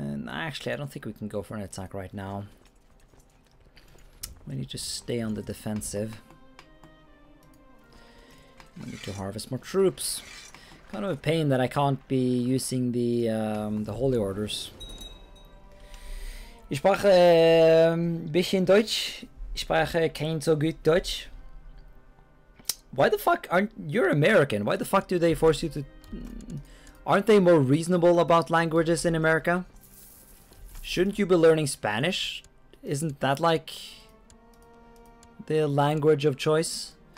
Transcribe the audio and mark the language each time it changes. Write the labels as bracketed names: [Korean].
[English] Actually, I don't think we can go for an attack right now. We need to stay on the defensive. We need to harvest more troops. Kind of a pain that I can't be using the holy orders. [German] Ich spreche bisschen Deutsch. Ich spreche kein so gut Deutsch. [English] Why the fuck aren't you American? Why the fuck do they force you to? Aren't they more reasonable about languages in America? Shouldn't you be learning Spanish? Isn't that like the language of choice?